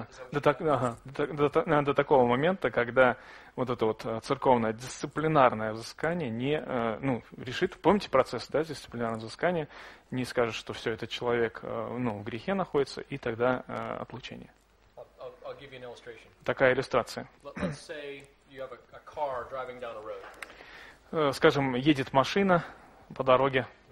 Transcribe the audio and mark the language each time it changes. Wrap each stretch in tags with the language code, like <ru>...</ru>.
<ru>До такого момента, когда вот это вот церковное дисциплинарное взыскание не, ну, решит, помните процесс, да, дисциплинарное взыскание, не скажет, что все, этот человек, ну, в грехе находится, и тогда отлучение.</ru> <en>I'll give you an illustration.</en> <ru>Такая иллюстрация.</ru> <en>Let's say you have a car driving down a road.</en> <ru>Скажем, едет машина по дороге.</ru>